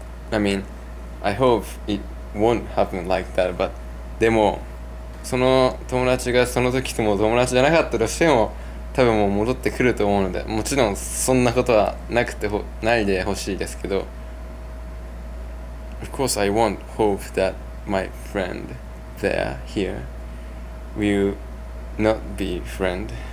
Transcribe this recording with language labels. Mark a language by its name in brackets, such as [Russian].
[English] I mean, I hope it won't happen like that. [Japanese] But でも、その友達がその時とも友達じゃなかったとしても、多分もう戻ってくると思うので、もちろんそんなことはなくてないでほしいですけど。 [English] Of course, I won't hope that my friend there here will not be friend.